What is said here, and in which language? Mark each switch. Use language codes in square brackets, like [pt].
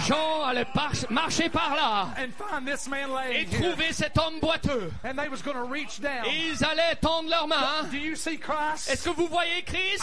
[fr] Jean allaient marcher par là [en] and find this man laying [fr] et trouver [en] here. [fr] Cet homme boiteux. [en] And they was going to reach down. [fr] Et ils allaient tendre leurs mains. [en] Do you see Christ? [fr] Est-ce que vous voyez Christ?